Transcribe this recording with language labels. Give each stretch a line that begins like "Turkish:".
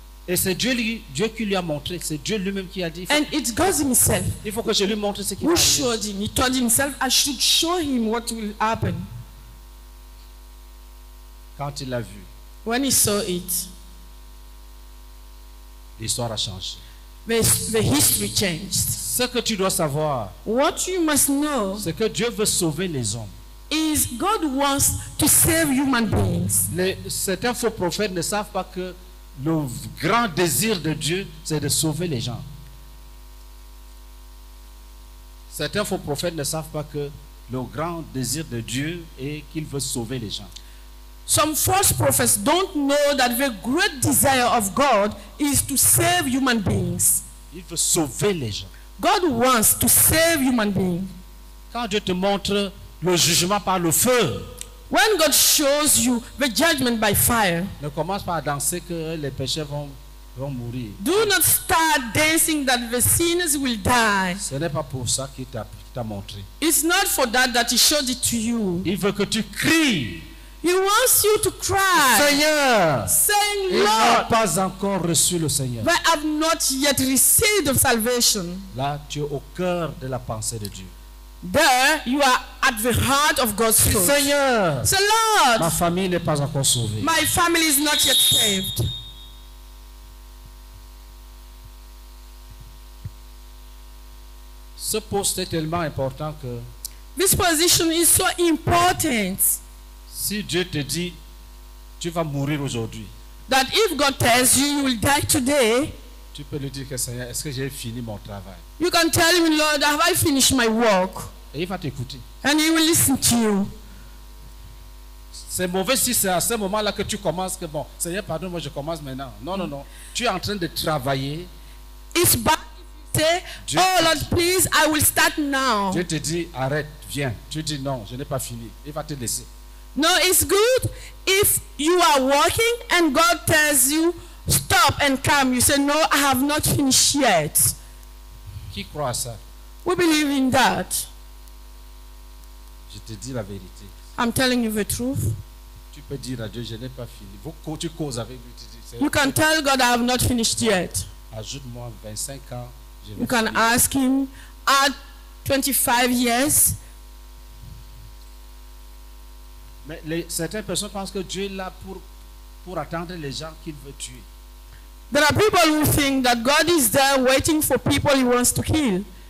French: Et c'est Dieu qui lui a montré, c'est Dieu lui-même qui a dit.
English: And it's God himself.
French: Il faut que je lui montre ce qui va arriver.
English: Who showed him? He told himself, I should show him what will happen.
French: Quand il l'a vu.
English: When he saw it.
French: L'histoire a changé.
English: The history changed.
French: Ce que tu dois savoir.
English: What you must know.
French: C'est que Dieu veut sauver les hommes.
English: Is God wants to save human beings.
French: Certains faux prophètes ne savent pas que le grand désir de Dieu, c'est de sauver les gens. Certains faux prophètes ne savent pas que le grand désir de Dieu est qu'il veut sauver les gens.
English: Some false prophets don't know that the great desire of God is to save human beings.
French: Il veut sauver les gens.
English: God wants to save human beings.
French: Quand Dieu te montre le jugement par le feu.
English: When God shows you the judgment by fire,
French: ne commence pas à danser que les pécheurs vont mourir.
English: Do not start dancing that the sinners will die.
French: Ce n'est pas pour ça qu'il t'a montré.
English: It's not for that he showed it to you.
French: Il veut que tu cries.
English: He wants you to cry.
French: Seigneur,
English: saying,
French: il
English: Lord,
French: n'a pas encore reçu le Seigneur.
English: But I have not yet received the salvation.
French: Là, tu es au cœur de la pensée de Dieu.
English: There you are at the heart of God's thought.
French: Seigneur,
English: so Lord,
French: ma famille n'est pas encore sauvée.
English: My family is not yet saved.
French: Ce poste est tellement important que
English: this position is so important.
French: Si Dieu te dit tu vas mourir aujourd'hui,
English: that if God tells you you will die today,
French: tu peux lui dire que Seigneur, est-ce que j'ai fini mon travail?
English: You can tell him, Lord, have I finished my work?
French: Et il va t'écouter.
English: And he will listen to you.
French: C'est mauvais si c'est à ce moment-là que tu commences que bon, Seigneur, pardon, moi je commence maintenant. Non, non, non. Tu es en train de travailler.
English: It's bad if you say, oh Lord, please, I will start now.
French: Dieu te dit, arrête, viens. Tu dis, non, je n'ai pas fini. Il va te laisser.
English: No, it's good if you are working and God tells you, stop and come. You say, no, I have not finished yet.
French: Qui croit ça?
English: We believe in that.
French: Je te dis la vérité.
English: I'm telling you the truth.
French: Tu peux dire à Dieu, je n'ai pas fini. Tu causes avec lui.
English: You can tell God, I have not finished yet.
French: Ajoute-moi 25 ans.
English: You can ask him, add 25 years.
French: Mais certaines personnes pensent que Dieu est là pour attendre les gens qu'il veut tuer.
English: There are people who think that God is there waiting for people he wants to kill.